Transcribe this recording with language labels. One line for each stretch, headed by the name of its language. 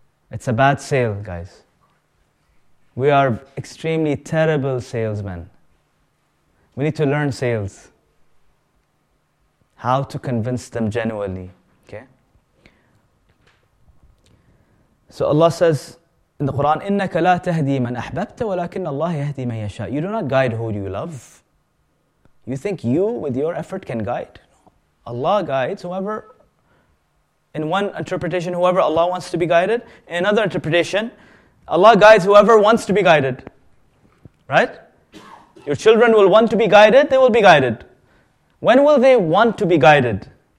English: It's a bad sale, guys. We are extremely terrible salesmen. We need to learn sales. How to convince them genuinely. Okay? So Allah says in the Quran,
Arabic: إِنَّكَ لَا تَهْدِي مَنْ أَحْبَبْتَ وَلَكِنَّ اللَّهِ يَهْدِي مَنْ يَشَاءُ.
English: You do not guide who you love. You think you, with your effort, can guide? Allah guides whoever. In one interpretation, whoever Allah wants to be guided. In another interpretation, Allah guides whoever wants to be guided. Right? Your children will want to be guided, they will be guided. When will they want to be guided?